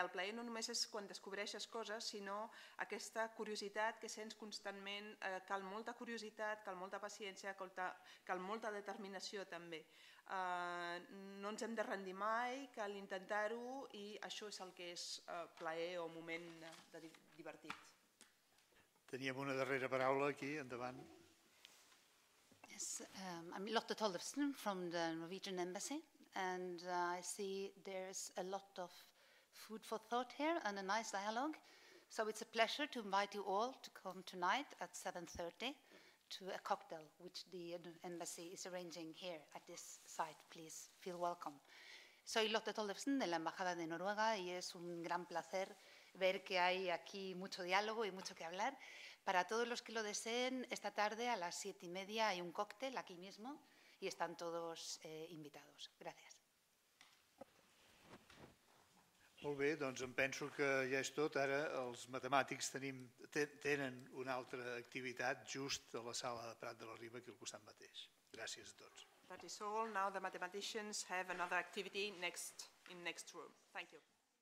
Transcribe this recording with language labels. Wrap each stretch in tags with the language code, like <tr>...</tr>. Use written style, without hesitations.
<ca>El plaer no només és quan descobreixes coses, sinó aquesta curiositat que sents constantment. Cal molta curiositat, cal molta paciència, cal molta determinació també. No ens hem de rendir mai, cal intentar-ho i això és el que és plaer o moment de divertit. Teníem una darrera paraula aquí, endavant.</ca> <en>Yes, I'm Lotte Tollefsen from the Norwegian Embassy, and I see there's a lot of food for thought here and a nice dialogue. So it's a pleasure to invite you all to come tonight at 7:30 to a cocktail, which the embassy is arranging here at this site. Please feel welcome.</en> <es>Soy Lotte Tollefsen de la Embajada de Noruega y es un gran placer ver que hay aquí mucho diálogo y mucho que hablar. Para todos los que lo deseen, esta tarde a las 7:30 hay un cóctel aquí mismo y están todos invitados. Gracias.</es> <ca>Molt bé, doncs em penso que ja és tot. Ara els matemàtics tenen una altra activitat just a la sala de Prat de la Riba, aquí al costat mateix. Gràcies a tots.</ca> <en>That is all. Now the mathematicians have another activity next room. Thank you.</en>